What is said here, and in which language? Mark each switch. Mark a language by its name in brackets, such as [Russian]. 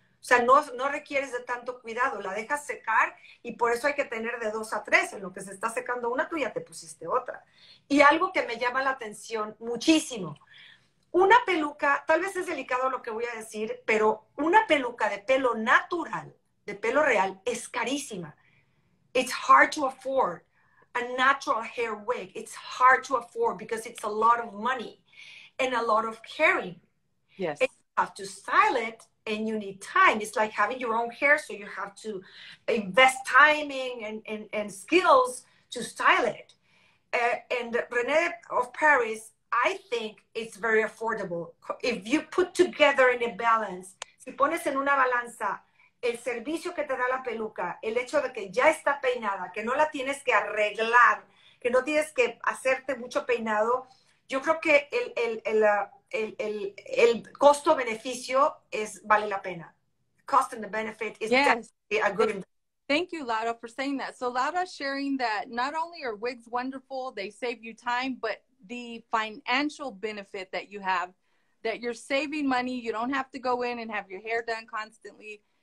[Spanish] O sea, no requieres de tanto cuidado, la dejas secar y por eso hay que tener de 2 a 3. En lo que se está secando una, tú ya te pusiste otra. Y algo que me llama la atención muchísimo, una peluca, tal vez es delicado lo que voy a decir, pero una peluca de pelo natural, de pelo real, es carísima. [English] It's hard to afford a natural hair wig. It's hard to afford because it's a lot of money and a lot of caring. Yes. And you have to style it. And you need time. It's like having your own hair, so you have to invest timing and skills to style it. And René of Paris, I think it's very affordable. If you put together in a balance, [Spanish] si pones en una balanza el servicio que te da la peluca, el hecho de que ya está peinada, que no la tienes que arreglar, que no tienes que hacerte mucho peinado, yo creo que el costo-beneficio es vale la pena. [English] Cost and the benefit is definitely a good investment. Thank you, Laura, for saying that. So Laura's sharing that not only are wigs wonderful, they save you time, but the financial benefit that you have, that you're saving money, you don't have to go in and have your hair done constantly.